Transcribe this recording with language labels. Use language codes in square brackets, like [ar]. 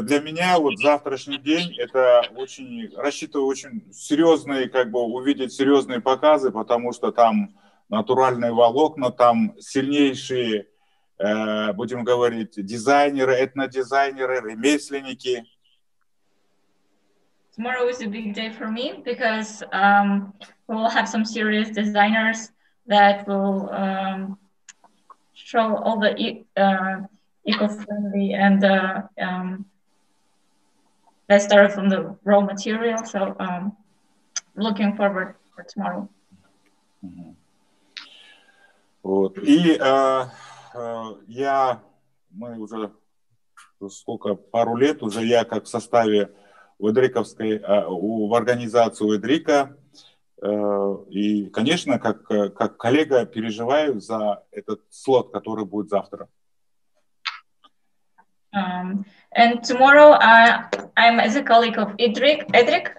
[ru] Для меня вот завтрашний день — это очень, рассчитываю, очень серьезные, как бы увидеть серьезные показы, потому что там натуральные волокна, там сильнейшие, будем говорить, дизайнеры, этнодизайнеры, ремесленники. [en] Tomorrow is a big day for me because we'll have some serious designers that will show all the eco-friendly and best started from the raw material. So looking forward for tomorrow. [ru] Mm-hmm. Вот. И мы уже сколько, пару лет уже я как в составе Уэдриковской, в организации Уэдрика. И, конечно, как коллега, переживаю за этот слот, который будет завтра. [en] And tomorrow I'm as a colleague of Edric.